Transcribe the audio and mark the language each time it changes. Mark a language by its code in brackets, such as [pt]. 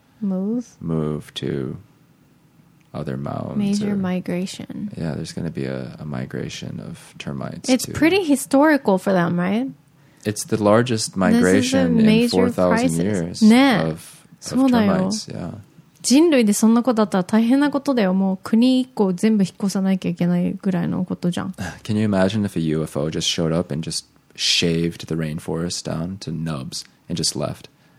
[en] move to other mounds. Major migration. Yeah, there's going to be a migration of termites. It's pretty historical for them, right? It's the largest migration in 4,000 years of termites. Yeah. [ja] 人類でそんなことだったら大変なことだよ。もう国一個全部引っ越さないきゃいけないぐらいのことじゃん。 [en] Can you imagine if a UFO just showed up and just shaved the rainforest down to nubs and just left?